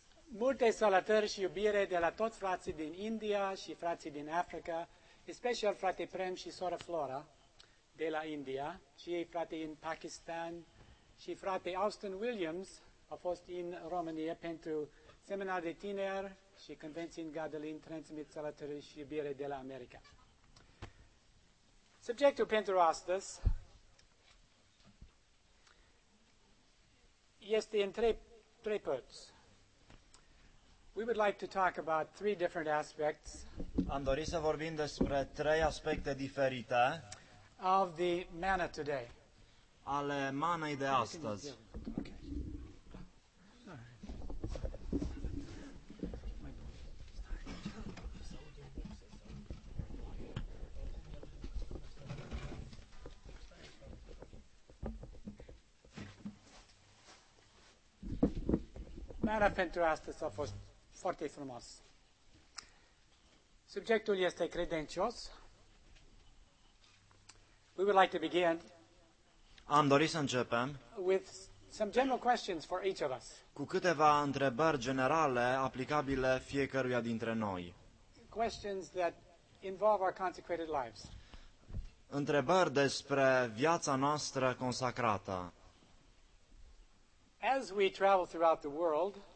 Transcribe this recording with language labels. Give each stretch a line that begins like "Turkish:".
Romanian: Multe salutări și iubire de la toți frații din India și frații din Africa, special frate Prem și sora Flora de la India, și ei frate în Pakistan, și frate Austin Williams a fost în România pentru seminar de tineri și convenții în Gadolin, transmit salutări și iubire de la America. Subiectul pentru astăzi este în trei părți.
English: We would like to talk about three different aspects.
Romanian: Am dori să vorbim despre trei aspecte diferite.
English: Of the manna today.
Romanian: Ale manei de astăzi. Manna pentru astăzi a fost foarte frumos. Subiectul este credincios.
English: We would like to begin.
Romanian: Am dorit să începem
English: with some general questions for each of us.
Romanian: Cu câteva întrebări generale aplicabile fiecăruia dintre noi.
English: Questions that involve our consecrated lives.
Romanian: Întrebări despre viața noastră consacrată.
English: As we travel throughout the world,